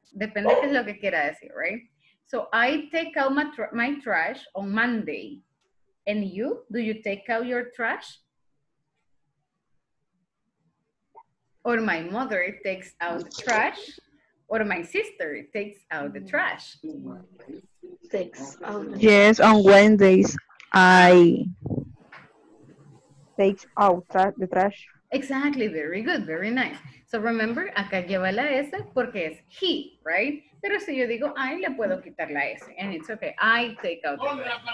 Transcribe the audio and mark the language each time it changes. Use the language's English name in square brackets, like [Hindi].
[Spanish] Depende qué es lo que quiera decir, [English] right? So, I take out my trash on Monday. And you, do you take out your trash? Or my mother takes out the trash? Or my sister takes out the trash? Yes, on Wednesdays, I take out the trash. Exactly, very good, very nice. So remember, [Spanish] acá lleva la S porque es [English] he, right? [Spanish] Pero si yo digo I, le puedo quitar la S. [English] And it's okay, I take out the word.